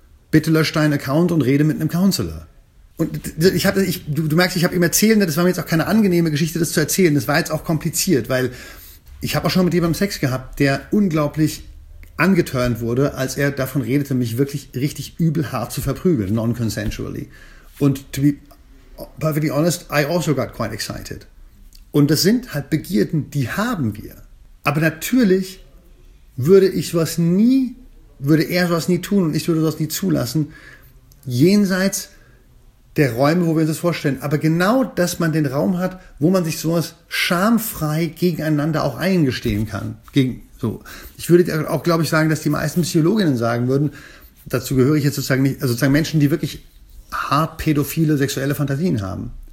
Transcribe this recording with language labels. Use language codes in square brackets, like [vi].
[de] Bitte lösch deinen Account und rede mit einem Counselor. Und du merkst, ich habe immer erzählen, das war mir jetzt auch keine angenehme Geschichte, das zu erzählen, das war jetzt auch kompliziert, weil ich habe auch schon mit jemandem Sex gehabt, der unglaublich angeturnt wurde, als er davon redete, mich wirklich richtig übel hart zu verprügeln, non-consensually. Und [en] to be perfectly honest, I also got quite excited. [de] Und das sind halt Begierden, die haben wir. Aber natürlich würde er sowas nie tun und ich würde sowas nie zulassen, jenseits der Räume, wo wir uns das vorstellen. Aber genau, dass man den Raum hat, wo man sich sowas schamfrei gegeneinander auch eingestehen kann, So, ich würde auch, glaube ich, sagen, dass die meisten Psychologinnen sagen würden, dazu gehöre ich jetzt sozusagen nicht, also sozusagen Menschen, die wirklich hart pädophile sexuelle Fantasien haben.